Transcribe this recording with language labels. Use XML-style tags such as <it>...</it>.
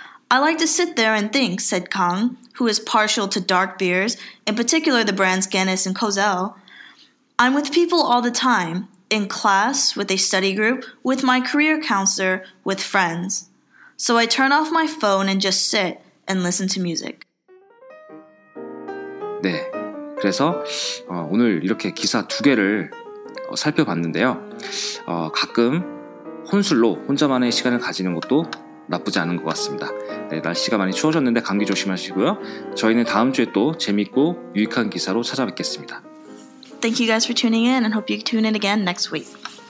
<en>I like to sit there and think, said Kang, who is partial to dark beers, in particular the brands Guinness and Kozel. I'm with people all the time, in class, with a study group, with my career counselor, with friends. So I turn off my phone and just sit and listen to music.</en> <ko>네, 그래서 오늘 이렇게 기사 두 개를 살펴봤는데요. 가끔 혼술로 혼자만의 시간을 가지는 것도 나쁘지 않은 것 같습니다. 네, 날씨가 많이 추워졌는데 감기 조심하시고요. 저희는 다음 주에 또 재밌고 유익한 기사로 찾아뵙겠습니다.</ko> <en>Thank you guys for tuning in and hope you tune in again next week.</en>